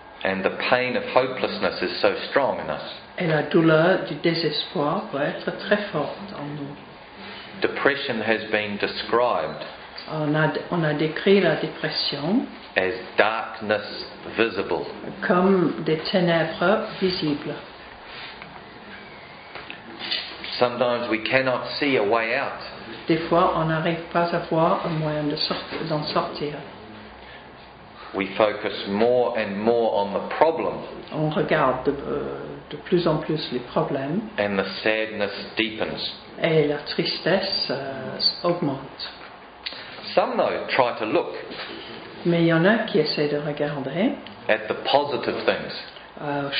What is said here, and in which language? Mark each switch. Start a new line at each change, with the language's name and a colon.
English: And the pain of hopelessness is so strong in us.
French: Et la douleur du désespoir peut être très forte en nous.
English: Depression has been described.
French: On a décrit la dépression
English: as darkness visible.
French: Comme des ténèbres visibles.
English: Sometimes we cannot see a way out.
French: Des fois, on n'arrive pas à voir un moyen d'en sortir.
English: We focus more and more on the problem.
French: On regarde de plus en plus les problèmes.
English: And the sadness deepens.
French: Et la tristesse augmente.
English: Some though try to look.
French: Mais il y en a qui essaient de regarder.
English: At the positive things.